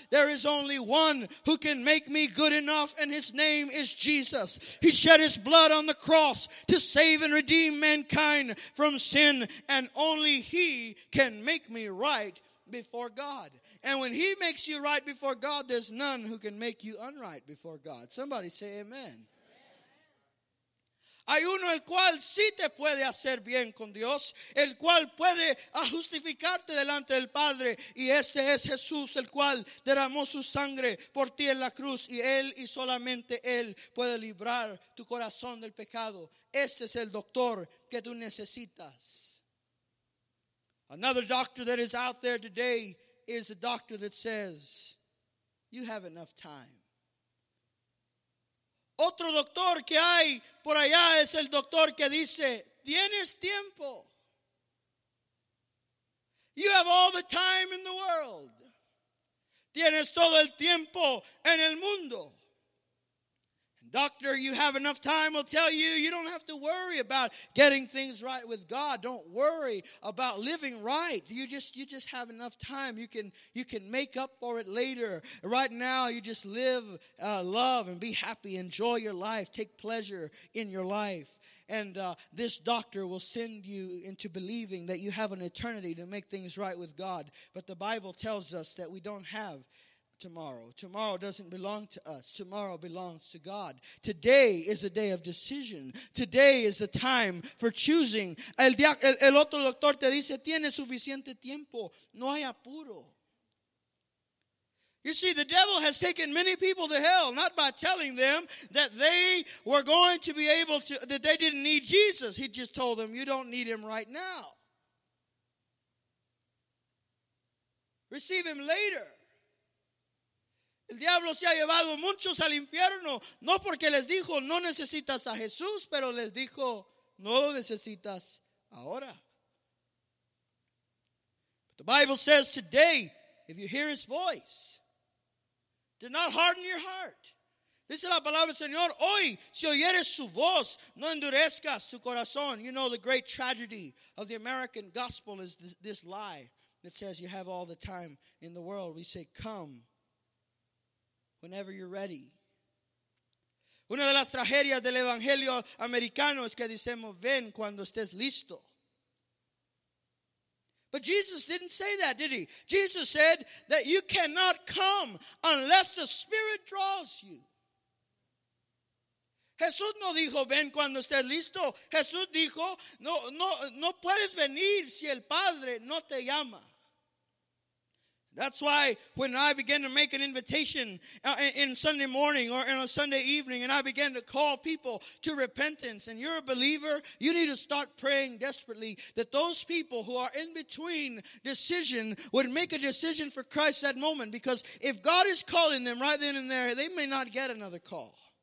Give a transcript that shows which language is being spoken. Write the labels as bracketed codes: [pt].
[en] There is only one who can make me good enough, and his name is Jesus. He shed his blood on the cross to save and redeem mankind from sin, and only he can make me right before God. And when he makes you right before God, there's none who can make you unright before God. Somebody say amen. [es] Hay uno el cual sí te puede hacer bien con Dios, el cual puede justificarte delante del Padre, y ese es Jesús, el cual derramó su sangre por ti en la cruz, y él y solamente él puede librar tu corazón del pecado. Ese es el doctor que tú necesitas. [en] Another doctor that is out there today is a doctor that says, you have enough time. [es] Otro doctor que hay por allá es el doctor que dice, tienes tiempo. [en] You have all the time in the world. [es] Tienes todo el tiempo en el mundo. [en] Doctor, you have enough time, will tell you, you don't have to worry about getting things right with God. Don't worry about living right. You just have enough time. You can make up for it later. Right now, you just live, love, and be happy. Enjoy your life. Take pleasure in your life. And this doctor will send you into believing that you have an eternity to make things right with God. But the Bible tells us that we don't have tomorrow. Tomorrow doesn't belong to us. Tomorrow belongs to God. Today is a day of decision. Today is the time for choosing. [es] El otro doctor te dice, tienes suficiente tiempo. No hay apuro. [en] You see, the devil has taken many people to hell, not by telling them that they were going to be able to, that they didn't need Jesus. He just told them, you don't need him right now. Receive him later. [es] El diablo se ha llevado muchos al infierno, no porque les dijo, no necesitas a Jesús, pero les dijo, no lo necesitas ahora. [en] But the Bible says today, if you hear his voice, do not harden your heart. [es] Dice la palabra del Señor, hoy, si oyeres su voz, no endurezcas tu corazón. [en] You know, the great tragedy of the American gospel is this lie that says you have all the time in the world. We say, come whenever you're ready. [es] Una de las tragedias del evangelio americano es que decimos, ven cuando estés listo. [en] But Jesus didn't say that, did he? Jesus said that you cannot come unless the Spirit draws you. [es] Jesús no dijo, ven cuando estés listo. Jesús dijo, no puedes venir si el Padre no te llama. [en] That's why when I began to make an invitation in Sunday morning or in a Sunday evening and I began to call people to repentance, and you're a believer, you need to start praying desperately that those people who are in between decision would make a decision for Christ that moment, because if God is calling them right then and there, they may not get another call.